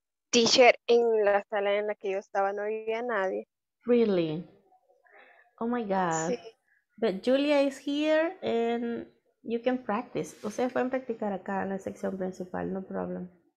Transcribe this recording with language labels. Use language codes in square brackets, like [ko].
[es] Teacher, en la sala en la que yo estaba no había nadie. [en] Really? Oh my God. Sí. But Julia is here and you can practice. [es] Ustedes pueden practicar acá en la sección principal, [en] no problem.